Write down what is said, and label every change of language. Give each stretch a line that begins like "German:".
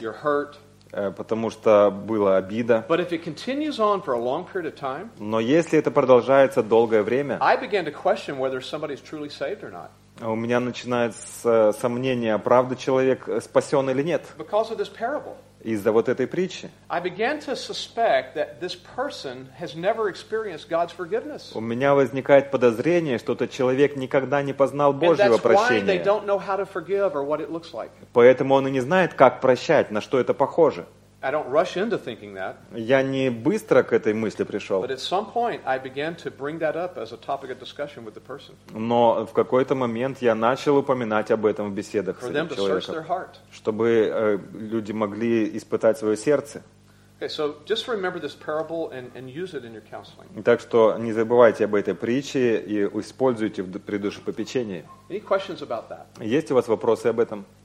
English: You're hurt.
Russian: Потому что была обида.
English: But if it continues on for a long period of time,
Russian: но если это продолжается долгое время,
English: I began to question whether somebody is truly saved or not.
Russian: У меня начинается сомнение, правда человек спасен или нет.
English: Because of this parable.
Russian: Из-за вот этой притчи.
English: I began to suspect that this person has never experienced God's forgiveness.
Russian: У меня возникает подозрение, что этот человек никогда не познал Божьего прощения.
English: They don't know how to forgive or what it looks like.
Russian: Поэтому он и не знает, как прощать, на что это похоже.
English: I don't rush into thinking that.
Russian: Я не быстро к этой мысли пришел.
English: But at some point, I began to bring that up as a topic of discussion with the person.
Russian: Но в какой-то момент я начал упоминать об этом в беседах с этим человеком.
English: For them to search their heart.
Russian: Чтобы люди могли испытать свое сердце.
English: Okay, so just remember this parable and use it in your counseling.
Russian: Так что не забывайте об этой притче и используйте при душепопечении.
English: Any questions about that?
Russian: Есть у вас вопросы об этом?